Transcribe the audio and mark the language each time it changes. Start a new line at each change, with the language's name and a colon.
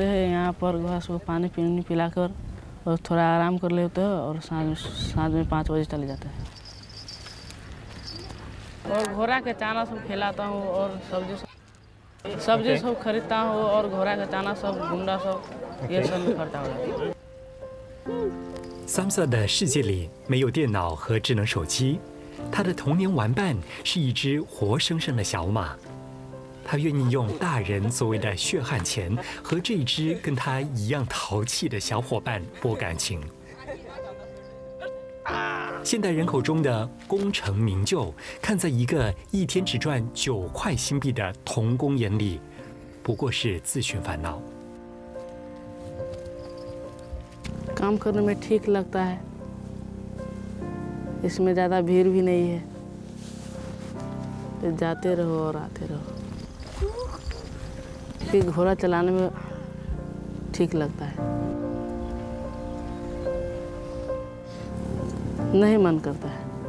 Hindi: काम करते हैं यहाँ पर घास को पानी पीने पिलाकर और थोड़ा आराम कर लेते हैं और साँझ में 5 बजे चले जाते हैं और घोड़ा के चाना सब खिलाता हूँ और सब्जी सब खरीदता हूँ और घोड़ा के चाना सब गुंडा सब ये सब करता हूँ।
Chinese: Samsa 的世界里没有电脑和智能手机，他的童年玩伴是一只活生生的小马，他愿意用大人作为的血汗钱和这只跟他一样淘气的小伙伴拨感情。现代人口中的功成名就，看在一个一天只赚9块新币的童工眼里，不过是自寻烦恼。
Hindi: काम करने में ठीक लगता है, इसमें ज़्यादा भीड़ भी नहीं है, जाते रहो और आते रहो, फिर घोड़ा चलाने में ठीक लगता है, नहीं मन करता है।